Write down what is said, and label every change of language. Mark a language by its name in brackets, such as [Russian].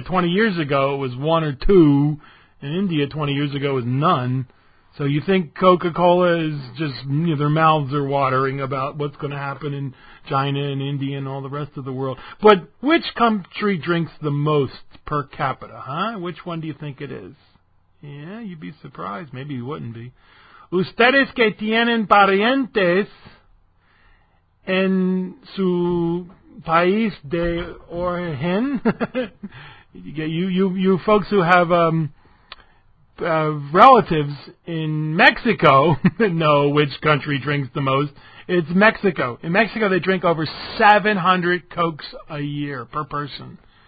[English] 20 years ago, it was one or two. In India, 20 years ago, it was none. So you think Coca-Cola is just, you know, their mouths are watering about what's going to happen in China and India and all the rest of the world. But which country drinks the most per capita, huh? Which one do you think it is? Yeah, you'd be surprised. Maybe you wouldn't be. [Spanish] Ustedes que tienen parientes en su país de origen. [English] you folks who have relatives in Mexico know which country drinks the most. It's Mexico. In Mexico, they drink over 700 Cokes a year per person.